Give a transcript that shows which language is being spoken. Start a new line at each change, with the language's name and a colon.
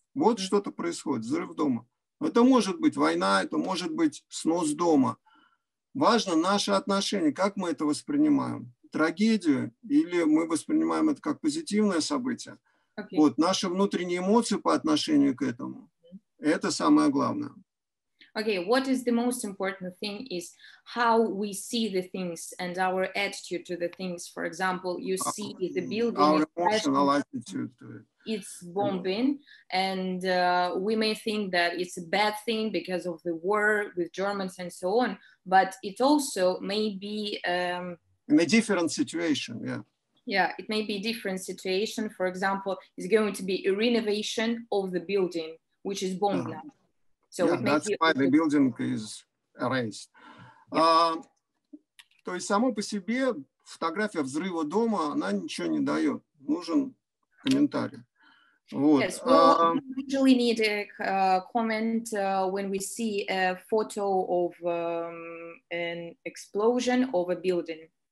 Russian: Вот что-то происходит, взрыв дома. Это может быть война, это может быть снос дома. Важно наше отношение, как мы это воспринимаем. Трагедию или мы воспринимаем это как позитивное событие.
English: Okay.
Russian: Вот наши внутренние эмоции по отношению к этому. Это самое главное.
English: Okay, what is the most important thing is how we see the things and our attitude to the things. For example, you see the building. Our emotional attitude to it. It's bombing, and we may think that it's a bad thing because of the war with Germans and so on, but it also may be... in a different situation, yeah. Yeah, it may be a different situation. For example, it's going to be a renovation of the building, which is bombed now. So yeah, that's why the building is erased.
Russian: То есть само по себе фотография взрыва дома, она ничего не дает. Нужен комментарий. Вот.
English: Yes, well, we usually need a comment when we see a photo of an explosion of a building.